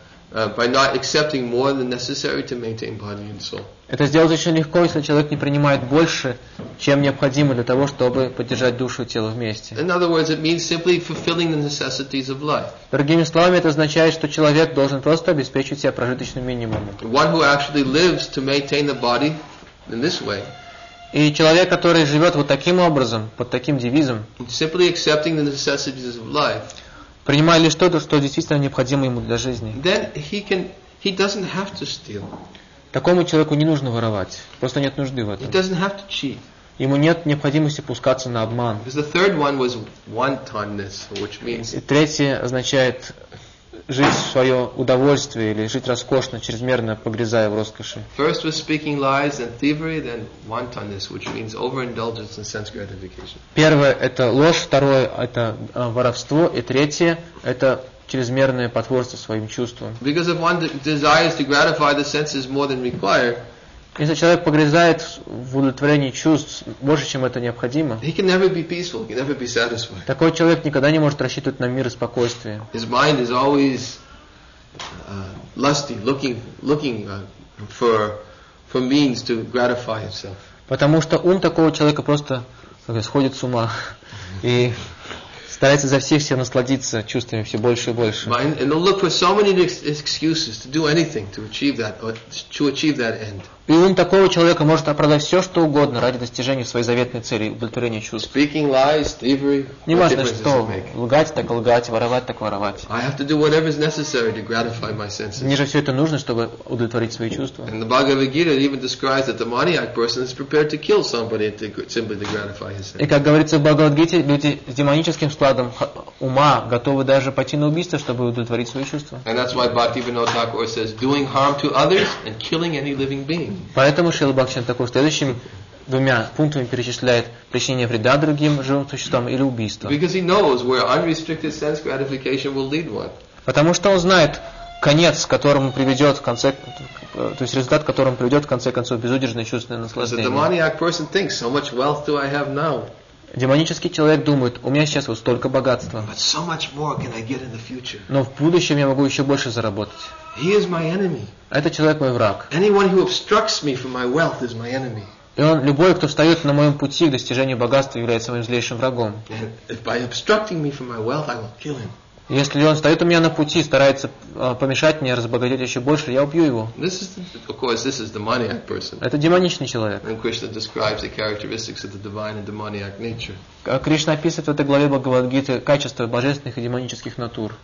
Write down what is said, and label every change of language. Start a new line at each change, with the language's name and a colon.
English: By not accepting more than necessary to maintain body and soul.
Russian: Это сделать очень легко, если человек не принимает больше, чем необходимо для того, чтобы поддержать душу и тело вместе.
English: In other words, it means simply fulfilling the necessities of life.
Russian: Другими словами, это означает, что человек должен просто обеспечить себя прожиточным минимумом.
English: One who actually lives to maintain the body in this way.
Russian: И человек, который живет вот таким образом, под таким девизом.
English: Simply accepting the necessities of life.
Russian: Принимая лишь то, что действительно необходимо ему для жизни.
English: Then he doesn't have to steal.
Russian: Такому человеку не нужно воровать. Просто нет нужды в этом.
English: He doesn't have to cheat.
Russian: Ему нет необходимости пускаться на обман.
English: Because the third one was wantonness, which means...
Russian: И третье означает жить в свое удовольствие или жить роскошно, чрезмерно погрязая в роскоши.
English: First was speaking lies and thievery, then wantonness, which means overindulgence and sense gratification.
Russian: Первое – это ложь, второе – это воровство, и третье – это чрезмерное потворство своим чувствам.
English: Because if one desires to gratify the senses more than required,
Russian: если человек погрязает в удовлетворении чувств больше, чем это необходимо,
English: he can never be peaceful, he can never be satisfied.
Russian: Такой человек никогда не может рассчитывать на мир и спокойствие.
English: His mind is always lusty, looking for means to gratify himself.
Russian: Потому что ум такого человека просто сходит с ума и старается за всех сил насладиться чувствами все больше и больше.
English: Mind, and they'll look for so many excuses to do anything to achieve that or to achieve that end.
Russian: И ум такого человека может оправдать все, что угодно ради достижения своей заветной цели – удовлетворения чувств.
English: Speaking lies, thievery,
Russian: не важно что – лгать так лгать, воровать так воровать.
English: I have to do whatever is necessary to gratify my senses.
Russian: Мне же все это нужно, чтобы удовлетворить свои чувства.
English: And the Bhagavad Gita even describes that the demoniac person is prepared to kill somebody to, simply to gratify his senses.
Russian: И как говорится в Бхагавад-гите, люди с демоническим складом ума готовы даже пойти на убийство, чтобы удовлетворить свои чувства.
English: And that's why Bhaktivinoda Thakur says, doing harm to others and killing any living being.
Russian: Поэтому Шрила Бхактисиддханта Тхакур следующими двумя пунктами перечисляет причинение вреда другим живым существам или убийство.
English: Because he knows where unrestricted sense gratification will lead one.
Russian: Потому что он знает конец, которому приведет в конце, то есть результат, которому приведет в конце концов безудержное чувственное наслаждение.
English: Because the demoniac person thinks, so much wealth do I have now.
Russian: Демонический человек думает, у меня сейчас вот столько богатства.
English: But so much more can I get in the future.
Russian: Но в будущем я могу еще больше заработать.
English: He is my enemy.
Russian: Этот человек мой враг.
English: Anyone who obstructs me from my wealth is my enemy.
Russian: И он, любой, кто встает на моем пути к достижению богатства, является моим злейшим врагом.
English: By obstructing me from my wealth, I will kill him.
Russian: Если он встает у меня на пути, старается помешать мне разбогатеть еще больше, я убью его.
English: This is the, of course, this is the demoniac person.
Russian: Это демоничный человек.
English: And Krishna describes the characteristics of the divine and demoniac nature.
Russian: Кришна описывает в этой главе Бхагавад-гиты качества божественных и демонических натур.